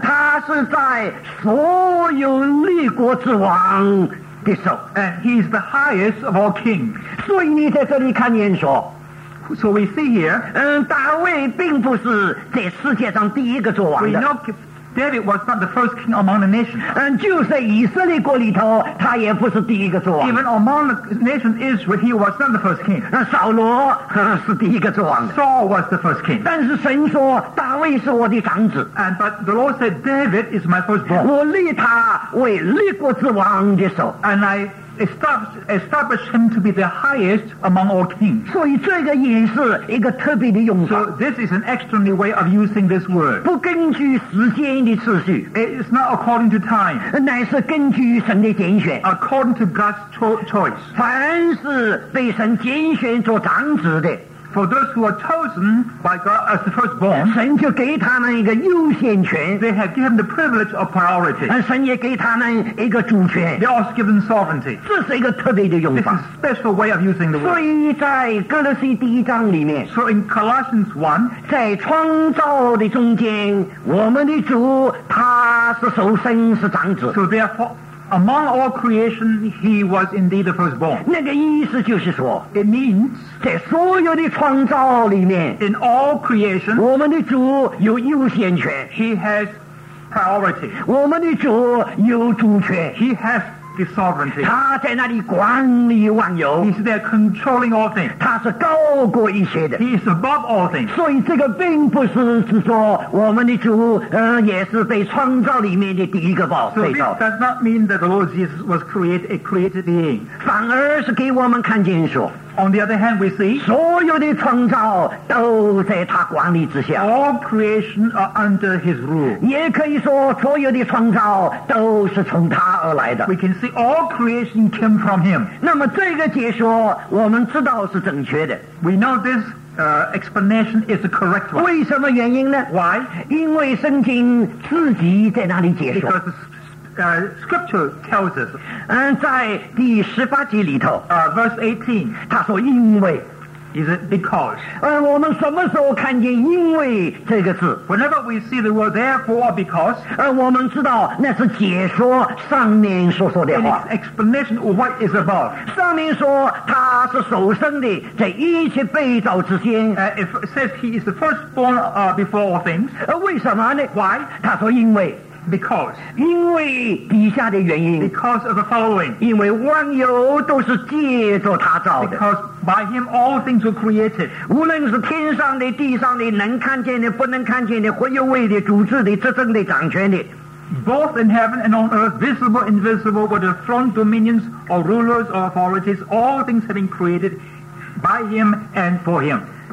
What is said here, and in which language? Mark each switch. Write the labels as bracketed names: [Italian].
[Chinese] 他是在所有立国之王的手 [English] And he is the highest of all kings [Chinese] 所以你在这里看见说 [English] So we see here [Chinese] 大卫并不是在世界上第一个做王的 [English] We know David was not the first king among the nations. [Chinese] 就在以色列国里头，他也不是第一个做王。 [English] Even among the nation Israel, he was not the first king. [Chinese] 扫罗是第一个做王的。 [English] Saul was the first king. [Chinese] 但是神说，大卫是我的长子。 [English] And but the Lord said, David is my firstborn. [Chinese] 我立他为立国之王的首。 [English] And I established him to be the highest among all kings. [Chinese] 所以这个也是一个特别的用法。 [English] So this is an extraordinary way of using this word. [Chinese] 不根据时间的次序。 [English] It's not according to time. [Chinese] 乃是根据神的拣选。 [English] According to God's choice. [Chinese] 凡是被神拣选做长子的。 [English] For those who are chosen by God as the firstborn, [Chinese] 神就给他们一个优先权。 [English] They have given the privilege of priority. [Chinese] 神也给他们一个主权。 [English] They also given sovereignty. [Chinese] 这是一个特别的用法。 [English] This is a special way of using the word. [Chinese] 所以在哥罗西第一章里面。 [English] So in Colossians 1, [Chinese] 在创造的中间，我们的主他是首先是长子。 [English] So therefore. Among all creation, he was indeed the firstborn. [Chinese] 那个意思就是说 [English] It means [Chinese] 在所有的创造里面 [English] In all creation [Chinese] 我们的主有优先权 [English] He has priority [Chinese] 我们的主有主权 [English] He has the sovereignty. [Chinese] 他在那里管理万有, [English] he's there controlling all things. [Chinese] 他是高过一切的, [English] he is above all things. [Chinese] 所以这个并不是说我们的主, 也是被创造里面的第一个宝, [English] so this does not mean that the Lord Jesus was created, a created being. [Chinese] 反而是给我们看见说, [English] on the other hand, we see [Chinese] 所有的创造都在他管理之下, [English] all creation are under his rule. [Chinese] 也可以说所有的创造都是从他而来的, [English] we can see all creation came from him. [Chinese] 那么这个解说我们知道是正确的, [English] we know this explanation is the correct one. [Chinese] 为什么原因呢? [English] Why? [Chinese] 因为圣经自己在那里解说, [English] scripture tells us. [Chinese] 在第十八节里头, [English] verse 18, [Chinese] 他说因为, [English] is it because? [Chinese] 我们什么时候看见因为这个字? [English] Whenever we see the word therefore or because, [Chinese] 我们知道那是解说上面所说的话, [English] explanation of what is above. [Chinese] 上面说他是首生的, 在一切被造之间, [English] it says he is the firstborn before all things. [Chinese] 为什么呢? [English] Why? [Chinese] 他说因为, [English] because, because of the following, because by him all things were created, [Chinese] 无论是天上的, 地上的, 能看见的, 不能看见的, 会有位的, 主治的, 执政的, 掌权的, [English] both in heaven and on earth, visible, invisible, whether throne, dominions, or rulers, or authorities, all things have been created by him and for him.